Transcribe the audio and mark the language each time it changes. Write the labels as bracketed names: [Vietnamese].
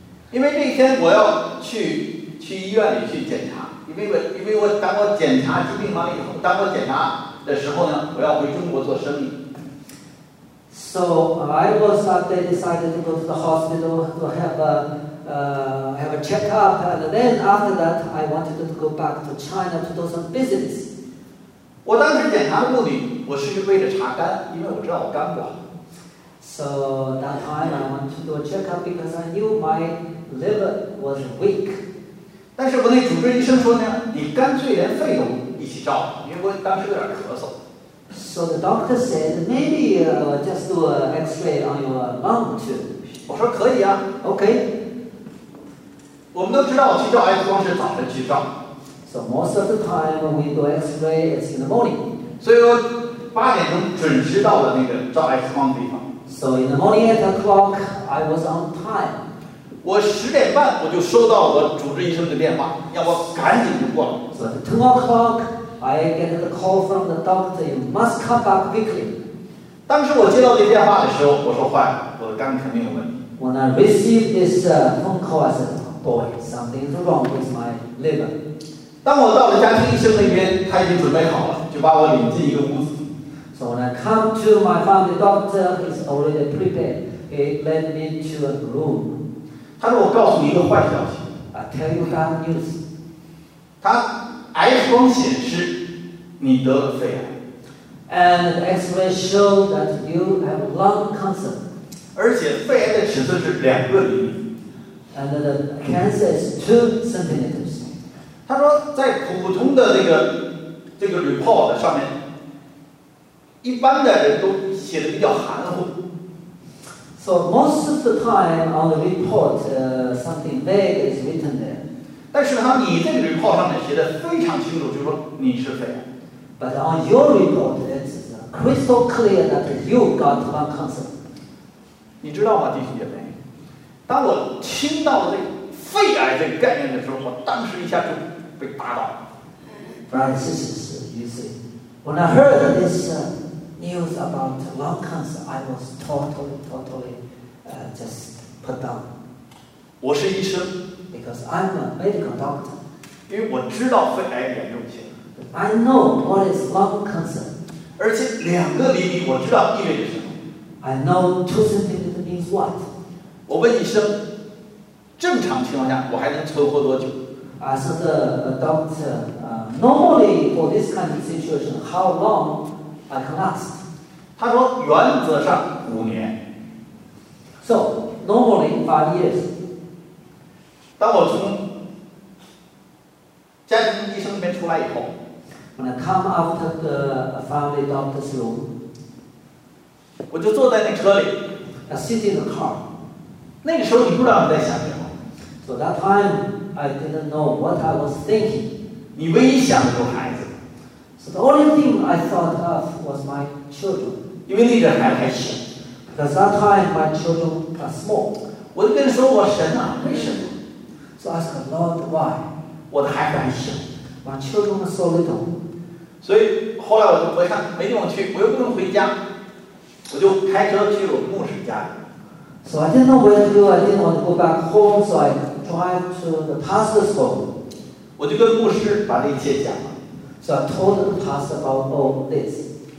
[Chinese] 因为那天我要去医院里去检查，因为我当我检查疾病完以后，当我检查的时候呢，我要回中国做生意。 [English] So I was that day decided to go to the hospital to have a checkup, and then after that I wanted to go back to China to do some business. [Chinese] 我当时检查的目的，我是为了查肝，因为我知道我肝不好。 [English] So that time I wanted to do a checkup because I knew my liver was weak. [Chinese] 但是我那主治医生说呢，你干脆连肺都一起照，因为我当时有点咳嗽。 [English] So the doctor said, maybe just do an X-ray on your lung too. [Chinese] 我说可以啊 [English] ，OK。 [Chinese] 我们都知道，我去照 X 光是早晨去照。 [English] So most of the time we do X-ray is in the morning. [Chinese] 所以我8点钟准时到了那个照 X 光的地方。 [English] So in the morning at 8 o'clock, I was on time. [Chinese] 我10点半我就收到我主治医生的电话，要我赶紧就过来。 [English] So at 2 o'clock. I get the call from the doctor. You must come back quickly. [Chinese] 当时我接到这电话的时候，我说坏了，我的肝肯定有问题。 [English] When I received this phone call, I said, "Boy, something is wrong with my liver." [Chinese] 当我到了家庭医生那边，他已经准备好了，就把我领进一个屋子。 [English] So when I come to my family doctor, he's already prepared. He led me to a room. [Chinese] 他说：“我告诉你一个坏消息。 [English] ”I tell you bad news. [Chinese] 他。X 光显示你得了肺癌 [English] ，and X-ray show that you have lung cancer. [Chinese] 而且肺癌的尺寸是2厘米 [English] ，and the cancer is 2 centimeters. [Chinese] 他说在普通的这个 report 上面，一般的人都写的比较含糊。 [English] So most of the time on the report, something vague is written there. [Chinese] 但是呢，你这个 report 上面写的非常清楚，就是说你是肺癌。 [English] But on your report, it's crystal clear that you got lung cancer. [Chinese] 你知道吗，弟兄姐妹？当我听到这肺癌这个概念的时候，我当时一下就被打倒了。 [English] Francis, you see, when I heard this news about lung cancer, I was totally put down. [Chinese] 我是医生。 [English] Because I'm a medical doctor. [Chinese] 因为我知道肺癌严重性。 [English] I know what is lung cancer. [Chinese] 而且2厘米，我知道意味着什么。 [English] I know 2 centimeters means what. [Chinese] 我问医生，正常情况下我还能存活多久 [English] as the doctor, normally for this kind of situation, how long I can last? [Chinese] 他说原则上五年。 [English] So normally 5 years. [Chinese] 当我从家庭医生那边出来以后 [English] ，when I come after the family doctor's room, [Chinese] 我就坐在那车里 [English] ，I sit in the car. [Chinese] 那个时候你不知道你在想什么。 [English] So that time. I didn't know what I was thinking. [Chinese] 你唯一想的就是孩子。 [English] So the only thing I thought of was my children. [Chinese] 因为那个孩子还小。 [English] Because that time my children are small. [Chinese] 我就跟你说我神啊，为什么 [English] ？So I asked the Lord why. [Chinese] 我的孩子还小。 [English] My children are so little. [Chinese] 所以后来我看没地方去，我又不能回家，我就开车去了牧师家。 [English] So I didn't know where to go. I didn't want to go back home. So I. Drive to the pastor's home. [Chinese] 我就跟牧师把这一切讲了。 [English] So I told the pastor about all this.